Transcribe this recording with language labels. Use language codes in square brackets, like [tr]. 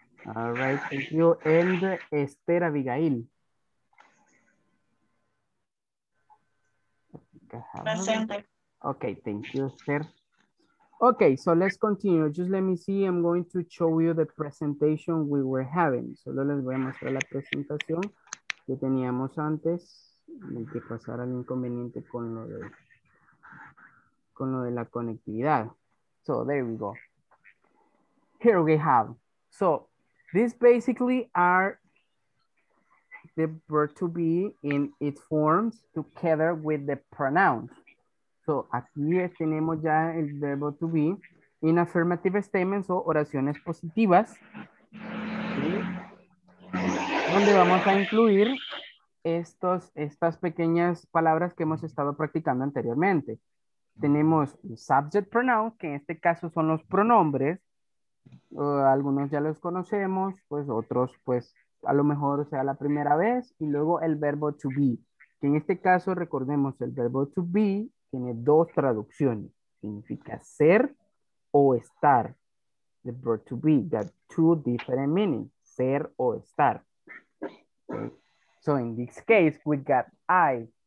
[en] All right, thank you. And Esther Abigail. [es] Presente. [en] Okay, thank you, Esther. Okay, so let's continue. Just let me see. I'm going to show you the presentation we were having. [es] Solo les voy a mostrar la presentación que teníamos antes. Hay que pasar al inconveniente con lo de la conectividad. [en] So, there we go. Here we have. So, these basically are the verb to be in its forms together with the pronoun. [es] So, aquí tenemos ya el verbo to be [en] in affirmative statements [es] o oraciones positivas. ¿Sí? Donde vamos a incluir estas pequeñas palabras que hemos estado practicando anteriormente. Tenemos subject pronoun, que en este caso son los pronombres. Algunos ya los conocemos, pues otros pues a lo mejor sea la primera vez, y luego el verbo to be, que en este caso recordemos el verbo to be tiene dos traducciones, significa ser o estar. [en] The verb to be got two different meanings, [es] ser o estar. [en] Okay. So in this case we got I,